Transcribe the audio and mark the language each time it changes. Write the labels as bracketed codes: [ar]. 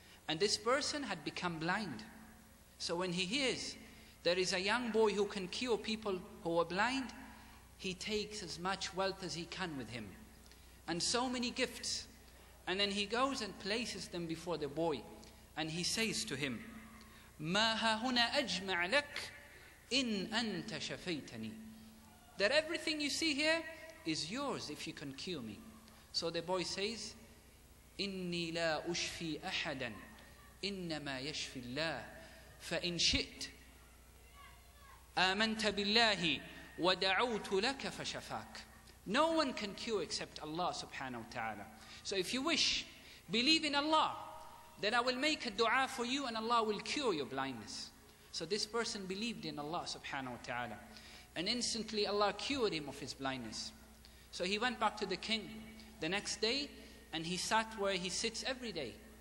[en] And this person had become blind. So when he hears there is a young boy who can cure people who are blind, he takes as much wealth as he can with him, and so many gifts. And then he goes and places them before the boy, and he says to him, [ar] مَا هَهُنَا أَجْمَعْ لَكْ إِنْ أَنْتَ شَفَيْتَنِي. [en] That everything you see here is yours if you can cure me. So the boy says, [ar] إِنِّي لَا أُشْفِي أَحَدًا إِنَّمَا يَشْفِي اللَّهِ فَإِنْ شِئْتْ آمَنْتَ بِاللَّهِ وَدَعُوتُ لَكَ فَشَفَاكَ. [en] No one can cure except Allah subhanahu wa ta'ala. So if you wish, believe in Allah, then I will make a dua for you and Allah will cure your blindness. So this person believed in Allah subhanahu wa ta'ala. And instantly Allah cured him of his blindness. So he went back to the king the next day and he sat where he sits every day.